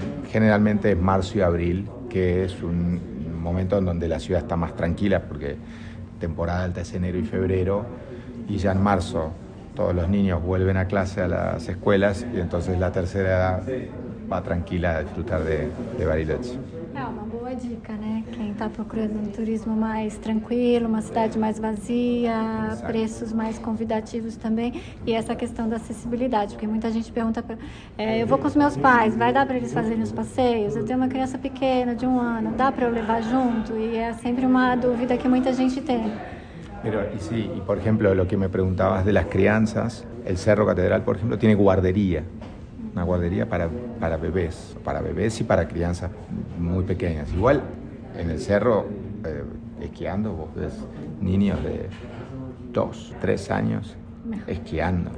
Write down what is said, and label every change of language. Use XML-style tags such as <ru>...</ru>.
<es>Generalmente es marzo y abril, que es un momento en donde la ciudad está más tranquila porque temporada alta es enero y febrero, y ya en marzo todos los niños vuelven a clase a las escuelas y entonces la tercera edad va tranquila a disfrutar de Bariloche.</es> <pt>Boa dica, né? Quem está procurando um turismo mais tranquilo, uma cidade mais vazia, exato, preços mais convidativos também, e essa questão da acessibilidade, porque muita gente pergunta, eu vou com os meus pais, vai dar para eles fazerem os passeios? Eu tenho uma criança pequena, de um ano, dá para eu levar junto? E é sempre uma dúvida que muita gente tem.</pt> <es>Pero, y sí, y por ejemplo, lo que me preguntabas de las crianzas, el Cerro Catedral, por ejemplo, tiene guardería. Una guardería para bebés y para crianzas muy pequeñas. Igual en el cerro, esquiando, vos ves niños de 2, 3 años esquiando.</es>